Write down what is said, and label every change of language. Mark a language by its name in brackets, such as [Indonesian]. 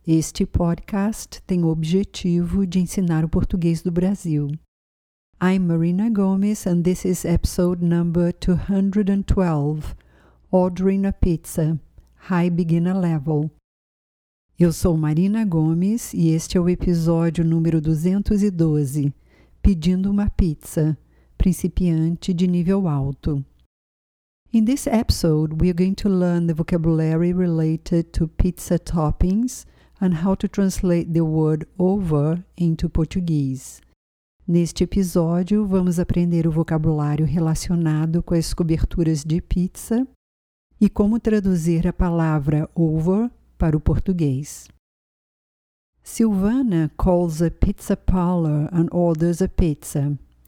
[Portuguese] Este podcast tem o objetivo de ensinar o português do Brasil. [English] I'm Marina Gomes and this is episode number 212, Ordering a Pizza, High Beginner Level. [Portuguese] Eu sou Marina Gomes e este é o episódio número 212, Pedindo uma Pizza, Principiante de Nível Alto. [English] In this episode, we are going to learn the vocabulary related to pizza toppings and how to translate the word over into Portuguese. [Portuguese] Neste episódio, vamos aprender o vocabulário relacionado com as coberturas de pizza e como traduzir a palavra over para o português. [English] Silvana calls a pizza parlor and orders a pizza.